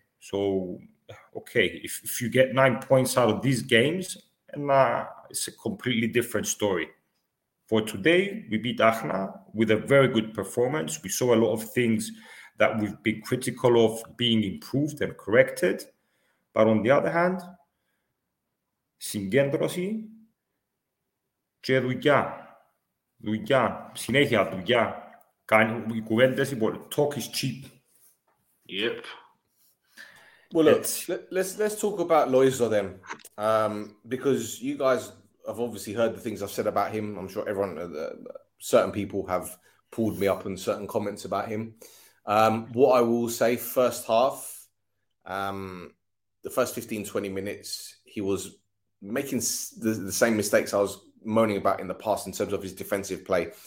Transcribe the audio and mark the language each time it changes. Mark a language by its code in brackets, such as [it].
[en] So, okay, if you get 9 points out of these games, and it's a completely different story. For today, we beat Akhna with a very good performance. We saw a lot of things that we've been critical of being improved and corrected. But on the other hand, [el] συγκέντρωση και δουλειά. Δουλειά, συνέχεια δουλειά. Κάνει κουβέντες, [en] talk is cheap. Yep. Well, look, let's talk about Loizzo then, because you guys have obviously heard the things I've said about him. I'm sure everyone, certain people have pulled me up on certain comments about him. What I will say, first half, the first 15, 20 minutes, he was making the same mistakes I was moaning about in the past in terms of his defensive play.